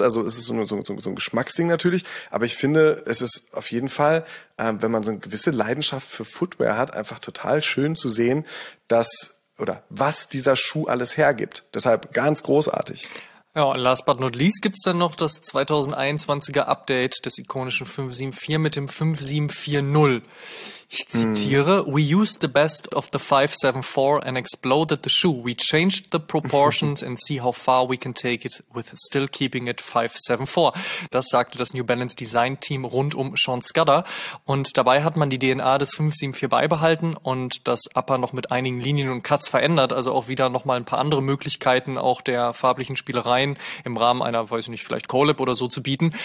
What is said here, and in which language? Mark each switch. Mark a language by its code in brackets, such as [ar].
[de] Also es ist so ein Geschmacksding natürlich. Aber ich finde, es ist auf jeden Fall, wenn man so eine gewisse Leidenschaft für Footwear hat, einfach total schön zu sehen, dass oder was dieser Schuh alles hergibt. Deshalb ganz großartig. Ja, und last but not least gibt's dann noch das 2021er Update des ikonischen 574 mit dem 5740. Ich zitiere, [en] we used the best of the 574 and exploded the shoe. We changed the proportions and see how far we can take it with still keeping it 574. [de] Das sagte das New Balance Design Team rund um Sean Scudder. Und dabei hat man die DNA des 574 beibehalten und das Upper noch mit einigen Linien und Cuts verändert. Also auch wieder nochmal ein paar andere Möglichkeiten auch der farblichen Spielereien im Rahmen einer, weiß ich nicht, vielleicht Collab oder so zu bieten.